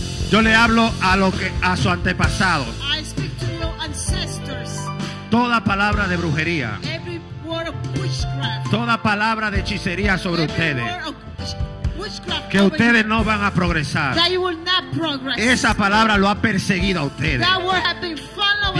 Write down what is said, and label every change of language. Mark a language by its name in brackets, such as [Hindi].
[Spanish] Yo le hablo a lo que a su antepasado. [English] I speak to your ancestors. [Spanish] Toda palabra de brujería. [English] Every word of witchcraft. [Spanish] Toda palabra de hechicería sobre [English] Every [Spanish] ustedes. [English] Witchcraft [Spanish] que ustedes no van a progresar. [English] That you will not progress. [Spanish] Esa palabra lo ha perseguido a ustedes. [English] That word has been following